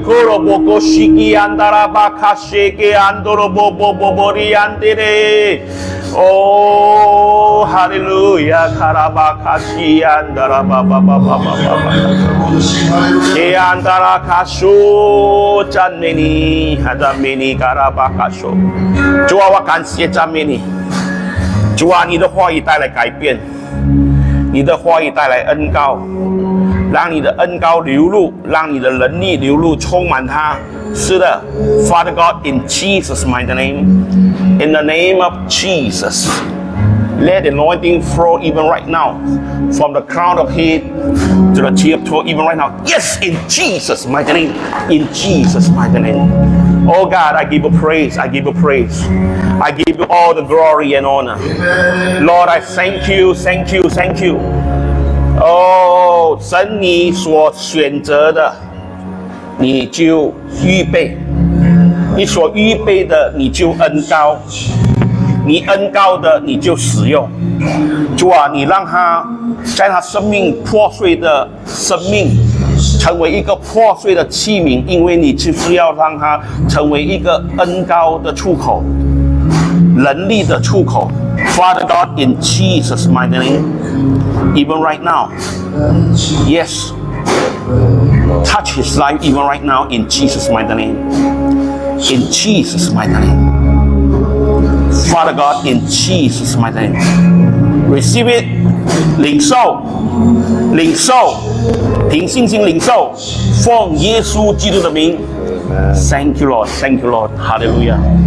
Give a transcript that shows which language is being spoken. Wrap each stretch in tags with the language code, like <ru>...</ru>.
<zh>克罗波哥西吉安达拉巴卡西吉安多罗波波波波利安迪勒，哦，哈利路亚，卡拉巴卡西安达拉巴巴巴巴巴巴巴，西安达拉卡苏赞美你，赞美你，卡拉巴卡苏，主啊，我感谢赞美你。主啊，你的话语带来改变，你的话语带来恩膏，让你的恩膏流入，让你的能力流入，充满他。</zh> <en>是的 ，Father God, in Jesus' mighty name, in the name of Jesus, let anointing flow even right now, from the crown of head to the tip toe, even right now. Yes, in Jesus' mighty name, in Jesus' mighty name. Oh God, I give you praise. I give you praise. I give you all the glory and honor. Lord, I thank you, thank you, thank you.</en> <zh>Oh, 神你所选择的，你就预备。你所预备的，你就恩膏。你恩膏的，你就使用。主啊，你让他在他生命破碎的生命成为一个破碎的器皿，因为你就是要让他成为一个恩膏的出口。能力的出口</zh> <en>Father God in Jesus mighty name even right now yes touch his life even right now in Jesus mighty name in Jesus mighty name Father God in Jesus mighty name receive it</en> <zh>领受领受凭信心领受奉耶稣基督的名</zh> <en>thank you Lord hallelujah</en>